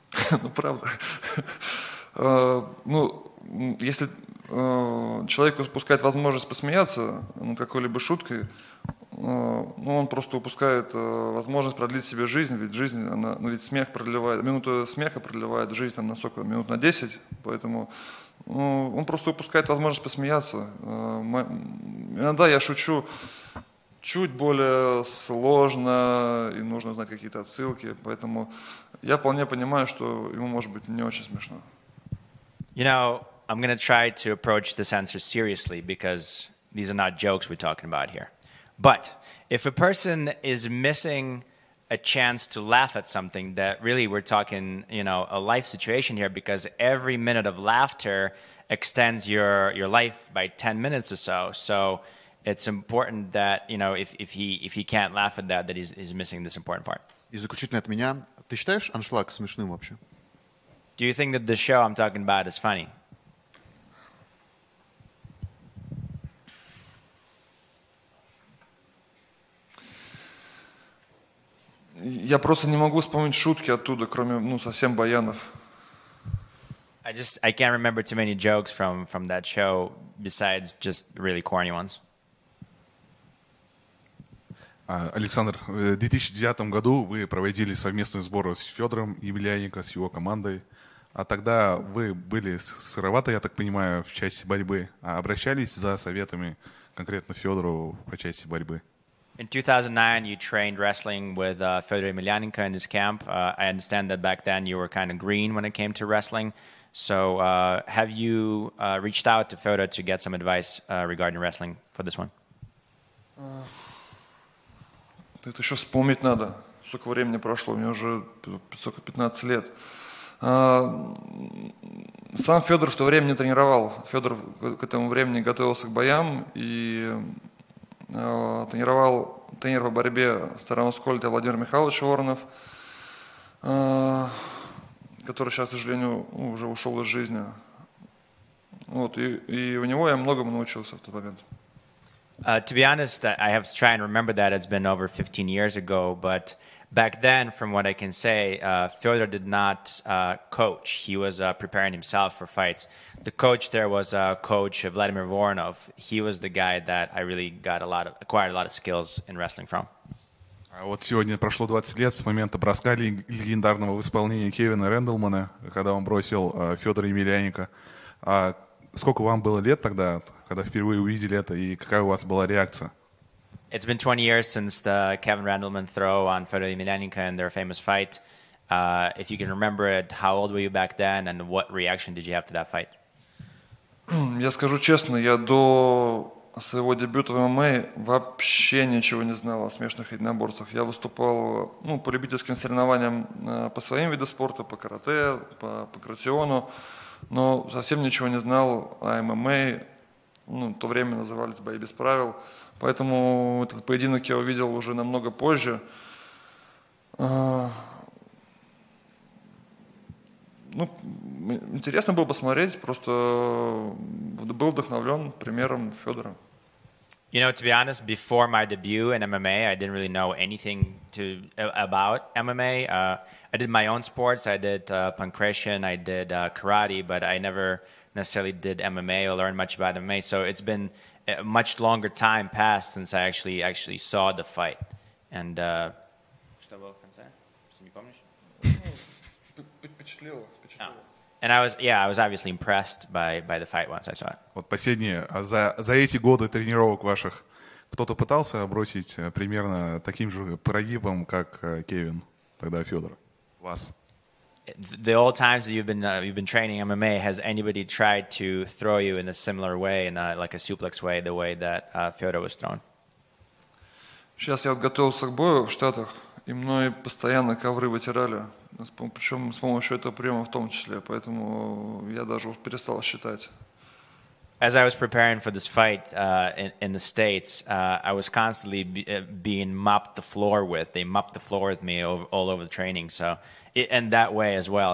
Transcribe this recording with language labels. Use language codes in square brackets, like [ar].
[ru] Ну правда. Ну, если человеку спускает возможность посмеяться над какой-либо шуткой, ну, он просто упускает возможность продлить себе жизнь, ведь жизнь, она, ну, ведь смех продлевает, минута смеха продлевает жизнь там на сколько, минут на 10, поэтому, ну, он просто упускает возможность посмеяться. Иногда я шучу чуть более сложно, и нужно знать какие-то отсылки, поэтому я вполне понимаю, что ему может быть не очень смешно. [en] You know, I'm going to try to approach this answer seriously because these are not jokes we're talking about here. But if a person is missing a chance to laugh at something, that really we're talking, you know, a life situation here, because every minute of laughter extends your life by 10 minutes or so. So it's important that, you know, if he can't laugh at that, that he's missing this important part. [ru] И заключительно от меня, ты считаешь аншлаг смешным вообще? [en] Do you think that the show I'm talking about is funny? [ru] Я просто не могу вспомнить шутки оттуда, кроме, ну, совсем баянов. [en] I can't remember too many jokes from that show besides just really corny ones. [ru] Александр, в 2009 году вы проводили совместную сбору с Федором Емельяненко, с его командой. А тогда вы были сыроваты, я так понимаю, в части борьбы. А обращались за советами конкретно Федору по части борьбы? [en] In 2009, you trained wrestling with Fedor Emelianenko in his camp. I understand that back then you were kind of green when it came to wrestling. So have you reached out to Fedor to get some advice regarding wrestling for this one? [ru] Это еще вспомнить надо, сколько времени прошло. Мне уже 515 лет. Сам Федор в то время не тренировал. Федор к этому времени готовился к боям и тренировал тренер по борьбе Старого Скольда Владимир Михайлович Воронов, который сейчас, к сожалению, уже ушел из жизни. Вот, и у него я многому научился в тот момент. [en] To be honest, I have to try and remember that. It's been over 15 years ago. But back then, from what I can say, Fyodor did not coach. He was preparing himself for fights. The coach there was coach Vladimir Voronov. He was the guy that I really acquired a lot of skills in wrestling from. [ru] Вот сегодня прошло 20 лет с момента броска легендарного в исполнении Кевина Рэндлмана, когда он бросил Федора Емельяненко. Сколько вам было лет тогда, когда впервые увидели это, и какая у вас была реакция? [en] It's been 20 years since the Kevin Randleman throw on Fedor Emelianenko and their famous fight. If you can remember it, how old were you back then, and what reaction did you have to that fight? [ru] Я скажу честно, я до своего дебюта в ММА вообще ничего не знал о смешанных единоборствах. Я выступал, ну, по любительским соревнованиям по своим видам спорта, по карате, по пакратиону. Но совсем ничего не знал о ММА, ну, в то время назывались «Бои без правил». Поэтому этот поединок я увидел уже намного позже. Ну, интересно было посмотреть, просто был вдохновлен примером Федора. [en] You know, to be honest, before my debut in MMA, I didn't really know anything about MMA. I did my own sports. I did pancration. I did karate, but I never necessarily did MMA or learned much about MMA. So it's been a much longer time passed since I actually saw the fight. And I was obviously impressed by the fight once I saw it. [ru] Вот последнее. За эти годы тренировок ваших кто-то пытался бросить примерно таким же прогибом, как Кевин, тогда Федор, вас? [en] The old times that you've been training MMA, has anybody tried to throw you in a similar way, in a, like a suplex way, the way that Федор was thrown? [ru] Сейчас я готовился к бою в Штатах, и мной постоянно ковры вытирали. Причем с помощью этого приема в том числе, поэтому я даже перестал считать. [en] As I was preparing for this fight in the States, I was constantly being mopped the floor with. They mopped the floor with me all over the training, so and that way as well.